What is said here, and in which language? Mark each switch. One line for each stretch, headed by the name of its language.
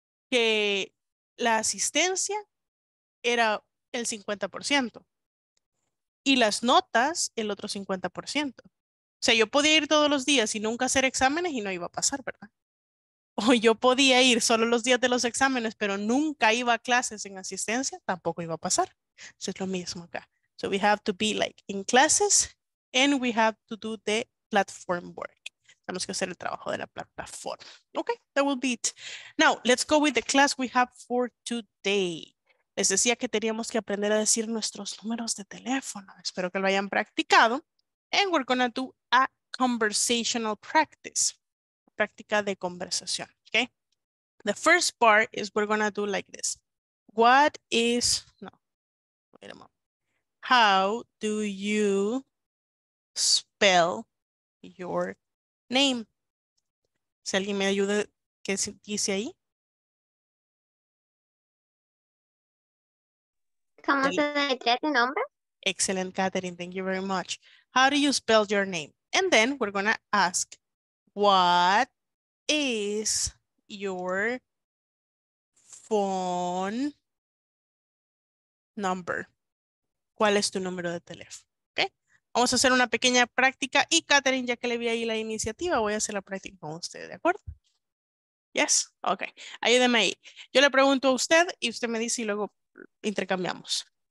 Spanish: Que la asistencia era el 50% y las notas el otro 50%. O sea, yo podía ir todos los días y nunca hacer exámenes y no iba a pasar, ¿verdad? O yo podía ir solo los días de los exámenes, pero nunca iba a clases en asistencia, tampoco iba a pasar. Entonces es lo mismo acá.
English: So we have to be like in classes and we have to do the platform work.
Spanish: Tenemos que hacer el trabajo de la plataforma.
English: Okay, that will be it. Now, let's go with the class we have for today.
Spanish: Les decía que teníamos que aprender a decir nuestros números de teléfono. Espero que lo hayan practicado.
English: And we're going to do a conversational practice.
Spanish: Práctica de conversación.
English: Okay? The first part is we're going to do like this. What is... No. Wait a moment. How do you spell your name?
Spanish: Si alguien me ayuda, ¿qué dice ahí? ¿Cómo se dice tu nombre?
English: Excellent, Catherine. Thank you very much. How do you spell your name? And then we're going to ask, what is your phone number?
Spanish: ¿Cuál es tu número de teléfono? Vamos a hacer una pequeña práctica y Catherine, ya que le vi ahí la iniciativa, voy a hacer la práctica con usted, ¿de acuerdo?
English: Yes, ok.
Spanish: Ayúdeme ahí. Yo le pregunto a usted y usted me dice y luego intercambiamos.